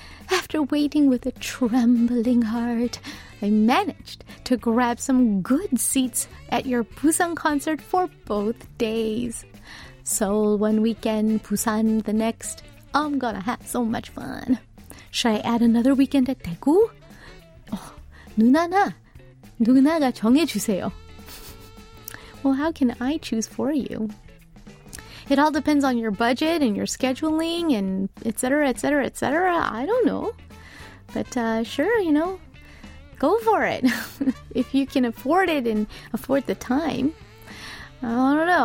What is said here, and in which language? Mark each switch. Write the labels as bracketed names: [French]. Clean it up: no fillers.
[English] After waiting with a trembling heart, I managed to grab some good seats at your Busan concert for both days. Seoul one weekend, Busan the next. I'm gonna have so much fun. Should I add another weekend at Daegu? [Korean] Oh, 누나나, 누나가 정해주세요. [English] Well, how can I choose for you? It all depends on your budget and your scheduling and et cetera, et cetera, et cetera. I don't know. But sure, you know, go for it. If you can afford it and afford the time. I don't know.